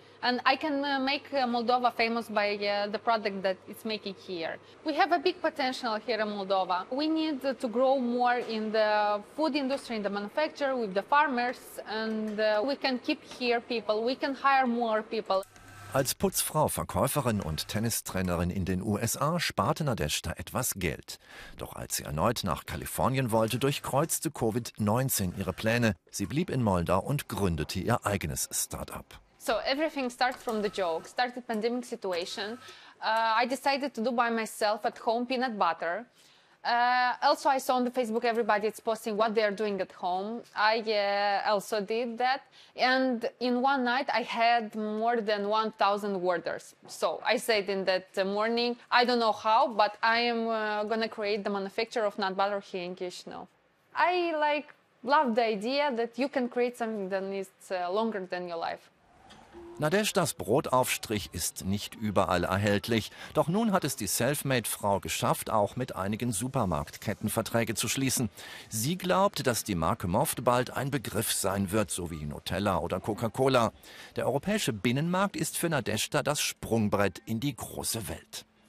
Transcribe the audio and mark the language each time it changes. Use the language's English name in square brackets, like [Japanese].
[English] And I can make Moldova famous by the product that it's making here. We have a big potential here in Moldova. We need to grow more in the food industry, in the manufacture, with the farmers, and we can keep here people, we can hire more people. [German] Als Putzfrau, Verkäuferin und Tennistrainerin in den USA sparte Nadezhda etwas Geld. Doch als sie erneut nach Kalifornien wollte, durchkreuzte Covid-19 ihre Pläne. Sie blieb in Moldau und gründete ihr eigenes Start-up. [English] So everything starts from the joke, started the pandemic situation. I decided to do by myself at home peanut butter. Also I saw on the Facebook everybody is posting what they are doing at home. I also did that, and in one night I had more than 1,000 orders. So I said in that morning, I don't know how, but I am gonna create the manufacturer of nut butter here in Chișinău. I like love the idea that you can create something that is longer than your life. [German] Nadezhdas Brotaufstrich ist nicht überall erhältlich. Doch nun hat es die Selfmade-Frau geschafft, auch mit einigen Supermarktketten Verträge zu schließen. Sie glaubt, dass die Marke Moft bald ein Begriff sein wird, so wie Nutella oder Coca-Cola. Der europäische Binnenmarkt ist für Nadezhda das Sprungbrett in die große Welt.